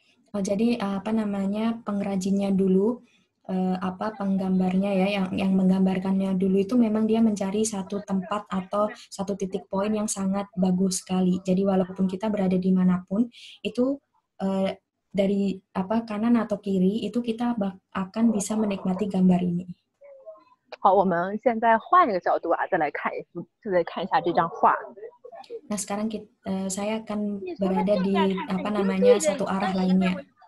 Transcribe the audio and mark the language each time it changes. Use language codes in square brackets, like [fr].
[id] Jadi apa namanya pengrajinnya dulu apa penggambarnya ya yang menggambarkannya dulu itu memang dia mencari satu tempat atau satu titik poin yang sangat bagus sekali. Jadi walaupun kita berada di manapun itu dari apa kanan atau kiri itu kita akan bisa menikmati gambar ini. [zh] 好，我们现在换一个角度啊，再来看一下这张画。 [id] Nah sekarang kita, saya akan berada di apa namanya satu arah lainnya.